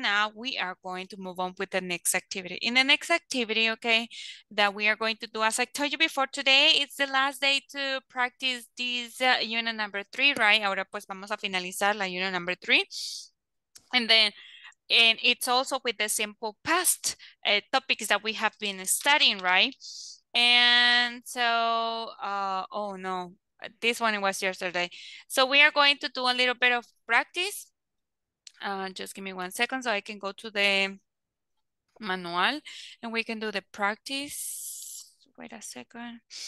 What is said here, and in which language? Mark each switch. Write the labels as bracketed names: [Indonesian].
[English] Now we are going to move on with the next activity. In the next activity, okay, that we are going to do, as I told you before, today it's the last day to practice this unit number 3, right? [Spanish] Ahora pues vamos a finalizar la unit number 3. [English] And then, and it's also with the simple past topics that we have been studying, right? And so, oh no, this one was yesterday. So we are going to do a little bit of practice. Just give me 1 second so I can go to the manual and we can do the practice. Wait a second.